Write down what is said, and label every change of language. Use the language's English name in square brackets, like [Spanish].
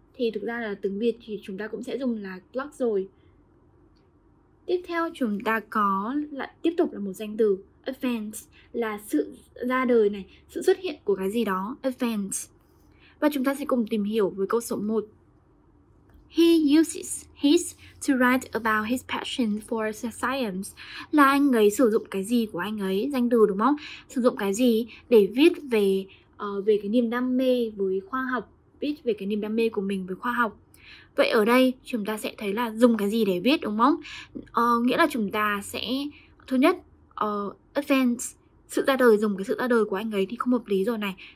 [Vietnamese] Thì thực ra là tiếng Việt thì chúng ta cũng sẽ dùng là blog rồi. Tiếp theo chúng ta có là tiếp tục là một danh từ, advance, là sự ra đời này, sự xuất hiện của cái gì đó, advance. Và chúng ta sẽ cùng tìm hiểu với câu số 1. [English] He uses his to write about his passion for science. [Vietnamese] Là anh ấy sử dụng cái gì của anh ấy, danh từ đúng không? Sử dụng cái gì để viết về cái niềm đam mê với khoa học, viết về cái niềm đam mê của mình với khoa học. Vậy ở đây chúng ta sẽ thấy là dùng cái gì để viết, đúng không? Nghĩa là chúng ta sẽ, thứ nhất, advance, sự ra đời, dùng cái sự ra đời của anh ấy thì không hợp lý rồi này.